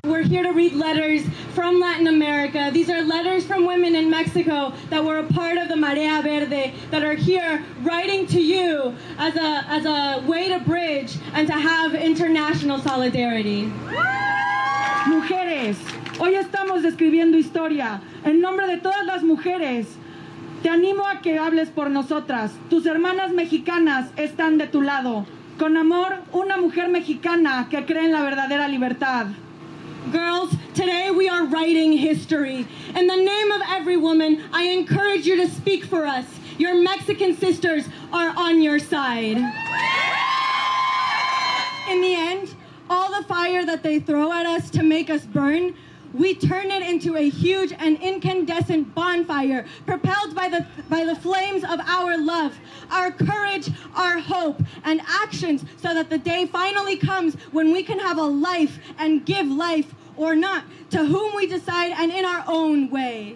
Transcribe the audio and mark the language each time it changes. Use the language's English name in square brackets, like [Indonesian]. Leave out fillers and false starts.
[English] These are letters from women in Mexico that were a part of the Marea Verde that are here writing to you as a way to bridge and to have international solidarity. [Spanish] Mujeres, hoy estamos escribiendo historia. En nombre de todas las mujeres, te animo a que hables por nosotras. Tus hermanas mexicanas están de tu lado. Con amor, una mujer mexicana que cree en la verdadera libertad. [English] Girls, today we are writing history. In the name of every woman, I encourage you to speak for us. Your Mexican sisters are on your side. In the end, all the fire that they throw at us to make us burn, we turn it into a huge and incandescent bonfire, propelled by the flames of our love, our courage, our hope, and actions, so that the day finally comes when we can have a life and give life, or not, to whom we decide and in our own way.